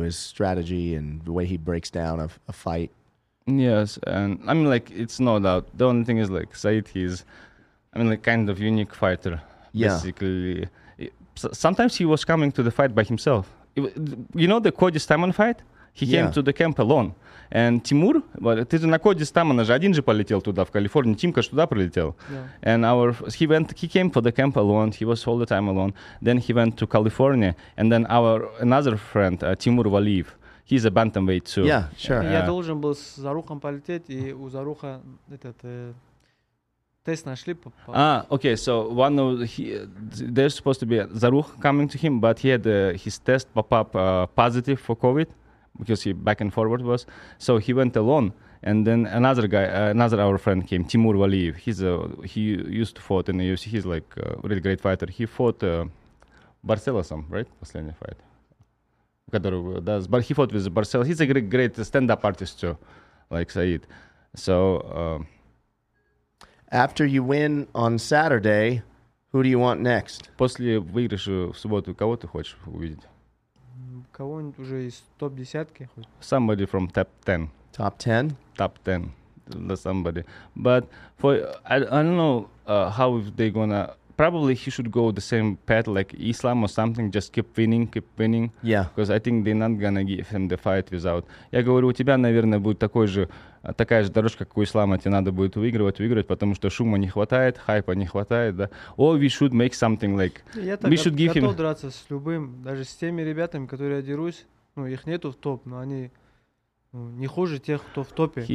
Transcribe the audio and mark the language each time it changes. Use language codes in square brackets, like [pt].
[en] His strategy and the way he breaks down a fight. Yes, and I mean, like, it's no doubt. The only thing is, like, Said, he's, I mean, like, kind of unique fighter. Yeah. Basically, sometimes he was coming to the fight by himself. You know the Cody Stamann fight? He came to the camp alone. [ru] And Timur, ты же на Коди Стамана же один же полетел туда, в Калифорнию. Тимка же туда прилетел. [en] Yeah. And he came for the camp alone. He was all the time alone. Then he went to California. And then another friend, Timur Valiev, he's a bantamweight too. Yeah, sure. [ru] Я должен был с Зарухом полететь, и у Заруха этот... [en] Okay, so one of there's supposed to be Zaruch coming to him, but he had his test pop up positive for COVID because he back and forward was. So he went alone, and then another guy, another our friend came, Timur Valiev. He used to fought in the UFC. He's like a really great fighter. He fought Barcelosom, right? [ru] Последний [en] fight. But he fought with Barcel. He's a great stand up artist too, like Said. So. After you win on Saturday, who do you want next? [ru] После выигрыша в субботу кого ты хочешь увидеть? Кого-нибудь уже из топ десятки. [en] Somebody from top 10. Top 10? Top 10. Somebody. But for I don't know how if they gonna. Probably he should go the same path like Islam or something. Just keep winning. Yeah. Because I think they're not gonna give him the fight without. [ru] Я говорю, у тебя, наверное, будет такая же дорожка, как у Ислама. Тебе надо будет выигрывать, потому что шума не хватает, хайпа не хватает, да. [en] Or we should make something like. [ru] Я готов драться с любым, даже с теми ребятами, которые я дерусь. Ну, их нету в топ, но они не хуже тех, кто в топе.